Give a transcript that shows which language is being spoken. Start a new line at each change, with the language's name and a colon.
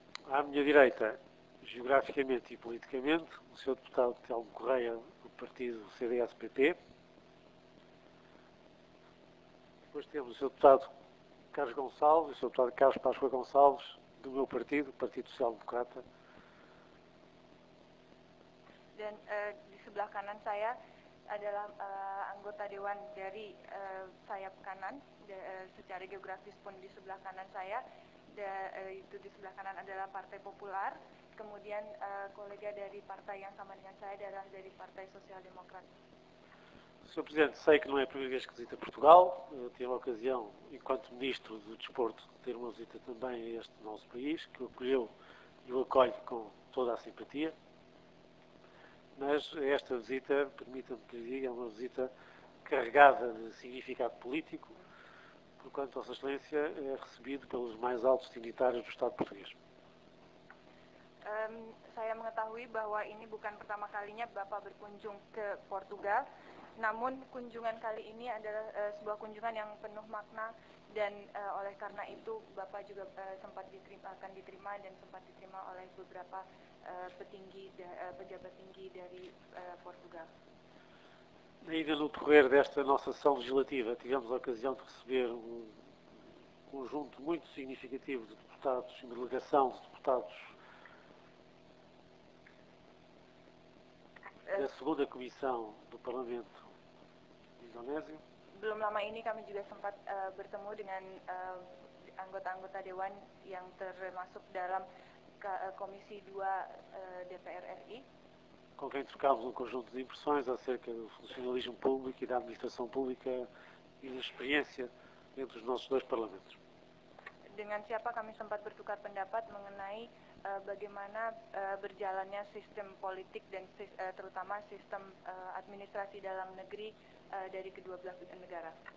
Portuguese: À minha direita, geograficamente e politicamente, o senhor deputado Telmo Correia, do partido CDS-PP. Depois temos o senhor deputado Carlos Gonçalves, o senhor deputado Carlos Páscoa Gonçalves, do meu partido, Partido Social Democrata.
Indonesian: Dan di sebelah kanan saya adalah anggota dewan dari sayap kanan, secara geografis pun di sebelah kanan saya, itu di sebelah kanan adalah Partai Popular. Kemudian kolega dari partai yang sama dengan saya adalah dari Partai Sosial Demokrat.
Portuguese: Sr. Presidente, sei que não é a primeira vez que visita Portugal. Eu tive a ocasião, enquanto Ministro do Desporto, de ter uma visita também a este nosso país, que o acolheu e o acolhe com toda a simpatia. Mas esta visita, permita-me que lhe diga, é uma visita carregada de significado político, porquanto Vossa Excelência é recebido pelos mais altos dignitários do Estado português.
Indonesian: Saya mengetahui bahwa ini bukan pertama kalinya Bapak berkunjung ke Portugal, namun kunjungan kali ini adalah sebuah kunjungan yang penuh makna dan oleh karena itu Bapak juga akan diterima dan sempat diterima oleh beberapa pejabat tinggi dari Portugal.
Portuguese: Ainda no decorrer desta nossa sessão legislativa, tivemos a ocasião de receber um conjunto muito significativo de deputados e uma delegação de deputados da 2ª Comissão do Parlamento Indonésio.
Indonesian: Belum lama ini kami juga sempat bertemu dengan anggota-anggota dewan yang termasuk dalam Komisi 2 DPR RI.
Portuguese: Com quem trocámos um conjunto de impressões acerca do funcionalismo público e da administração pública e da experiência entre os nossos dois parlamentos.
Indonesian: Dengan siapa kami sempat bertukar pendapat mengenai bagaimana berjalannya sistem politik dan terutama sistem administrasi dalam negeri dari kedua belah negara.